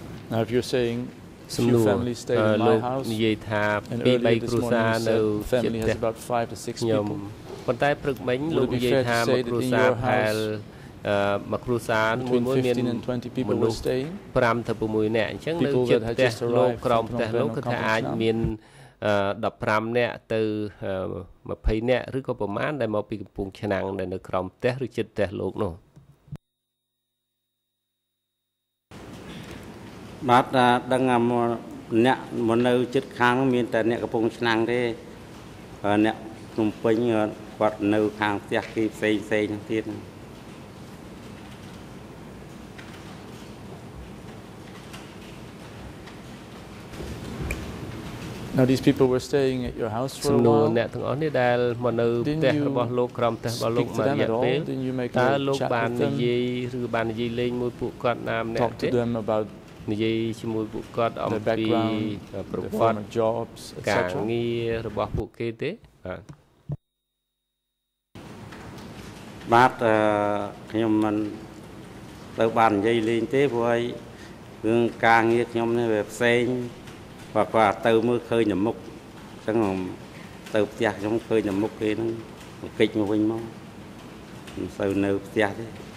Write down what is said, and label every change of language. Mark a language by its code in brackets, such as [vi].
[en] Now, if you're saying a few families stay in my house, and earlier this morning you said the family has about 5 to 6 people, would it be fair to say that in your house, between 15 and 20 people were staying? People that had just arrived from Phnom Penh or Kampuchea? [km] 15នាក់ទៅ20នាក់ឬក៏ប្រមាណដែលមកពីកំពង់ឆ្នាំងដែលនៅក្រោមផ្ទះឬជិតផ្ទះលោកនោះបាទដឹងអាអ្នកមកនៅជិតខាងមានតែអ្នកកំពង់ឆ្នាំងទេអ្នកភ្នំពេញគាត់នៅខាងផ្ទះគេផ្សេងផ្សេងទៀត [en] Now these people were staying at your house for a while. [km] អ្នកទាំងអស់នេះដែលមកនៅផ្ទះរបស់លោកក្រុមផ្ទះរបស់លោកមករយៈពេលតើលោកបាននិយាយឬបាននិយាយលេងមួយពួកគាត់ណាម្នាក់ទេ [en] Talk to them about [km] និយាយជាមួយពួកគាត់អំពីប្រវត្តិ [en] jobs etc. [km] ការងាររបស់ពួកគេទេបាទបាទខ្ញុំមិនទៅបាននិយាយលេងទេព្រោះឲ្យរឿងការងារខ្ញុំនេះវាផ្សេងបាទគាត់ទៅមើលឃើញមុខអញ្ចឹងទៅផ្ទះខ្ញុំឃើញមុខគេហ្នឹងមកគេចមកវិញមកមិនសូវនៅផ្ទះទេ